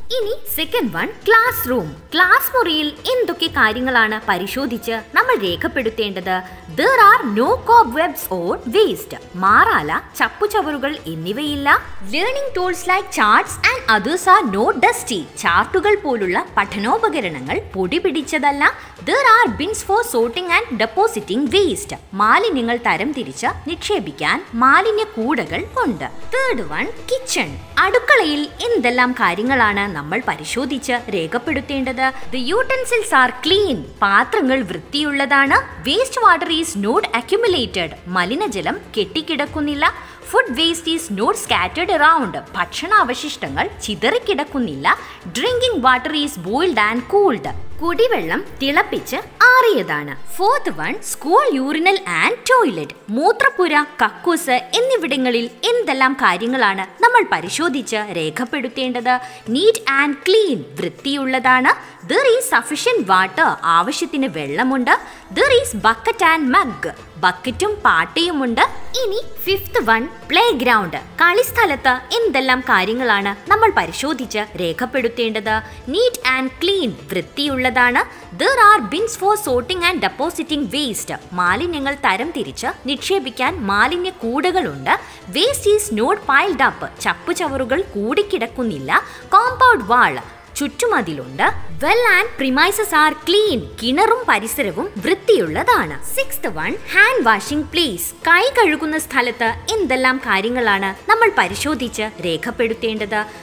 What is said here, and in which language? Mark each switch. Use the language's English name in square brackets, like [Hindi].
[Malayalam] ഇനി [English] Second one, classroom. [Malayalam] Class മുറിയിൽ എന്തൊക്കെ കാര്യങ്ങളാണ് പരിശോധിച്ച് നമ്മൾ രേഖപ്പെടുത്തേണ്ടത്? [English] there are no cobwebs or waste, [Malayalam] മാറാല, ചപ്പുചവറുകൾ എന്നിവയില്ല, [English] learning tools like charts and others are not dusty, [Malayalam] ചാർട്ടുകൾ പോലുള്ള പഠനോപകരണങ്ങൾ പൊടി പിടിച്ചതല്ല. [English] There are bins for sorting and depositing waste. [Malayalam] മാലിന്യങ്ങൾ തരംതിരിച്ച് നിക്ഷേപിക്കാൻ മാലിന്യ കൂടകൾ ഉണ്ട്. [English] Third one, kitchen. [Malayalam] അടുക്കളയിൽ എന്തെല്ലാം കാര്യങ്ങളാണ് നമ്മൾ പരിശോധിച്ച് രേഖപ്പെടുത്തേണ്ടത്? [English] The utensils are clean. [Malayalam] പാത്രങ്ങൾ വൃത്തിയുള്ളതാണ്. [English] Waste water is not accumulated. [Malayalam] മലിനജലം കെട്ടിക്കിടക്കുന്നില്ല. [English] Food waste is not scattered around. [Malayalam] ഭക്ഷണ അവശിഷ്ടങ്ങൾ ചിതറിക്കിടക്കുന്നില്ല. [English] Drinking water is boiled and cooled. [Malayalam] കുടിവെള്ളം തിളപ്പിച്ച് ആറിയതാണ്. [English] Fourth one, school urinal and toilet. [Malayalam] മൂത്രപ്പുര, കക്കൂസ് എന്നിവിടങ്ങളിൽ എന്തെല്ലാം കാര്യങ്ങളാണ് നമ്മൾ പരിശോധിച്ച് രേഖപ്പെടുത്തേണ്ടത്? [English] neat and clean, [Malayalam] വൃത്തിയുള്ളതാണ്. [English] There is sufficient water, [Malayalam] ആവശ്യത്തിന് വെള്ളമുണ്ട്. [English] There is bucket and mug, [Malayalam] ബക്കറ്റും പാട്ടയുമുണ്ട്. [English] ഇനി fifth one, playground. [Malayalam] കളിസ്ഥലത്ത് എന്തെല്ലാം കാര്യങ്ങളാണ് നമ്മൾ പരിശോധിച്ച് രേഖപ്പെടുത്തേണ്ടത്? [English] neat and clean, [Malayalam] വൃത്തിയുള്ളതാണ്. [English] There are bins for sorting and depositing waste. [Malayalam] മാലിന്യങ്ങൾ തരംതിരിച്ച് നിക്ഷേപിക്കാൻ മാലിന്യ കൂടകളുണ്ട്. [English] Waste is not piled up. [Malayalam] ചപ്പുചവറുകൾ കൂടിക്കിടക്കുന്നില്ല. [English] compound wall, [Malayalam] ചുറ്റുമതിലുണ്ട്. [English] well and premises are clean, [Malayalam] കിണറും പരിസരവും വൃത്തിയുള്ളതാണ്. [English] Sixth one, hand washing place. [Malayalam] കൈ കഴുകുന്ന സ്ഥലത്ത് എന്തെല്ലാം കാര്യങ്ങളാണ് നമ്മൾ പരിശോധിച്ച് രേഖപ്പെടുത്തേണ്ടത്?